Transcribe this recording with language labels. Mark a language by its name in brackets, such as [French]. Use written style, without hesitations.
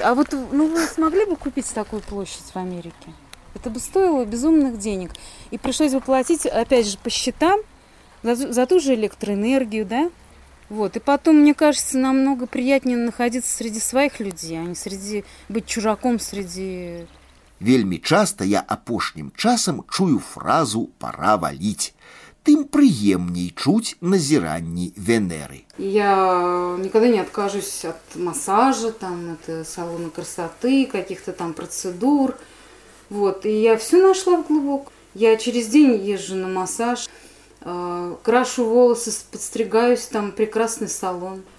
[Russian] А вот ну вы смогли бы купить такую площадь в Америке? Это бы стоило безумных денег. И пришлось бы платить, опять же, по счетам за ту же электроэнергию, да? Вот. И потом, мне кажется, намного приятнее находиться среди своих людей, а не среди быть чужаком среди... [Belarusian] Вельми часто я апошнім часам чую фразу «пора валить». Тым прыемней чуць назіранні Венеры. [Russian] Я никогда не откажусь от массажа, там, от салона красоты, каких-то там процедур. Вот. И я все нашла в клубок. Я через день езжу на массаж, крашу волосы, подстригаюсь, там прекрасный салон.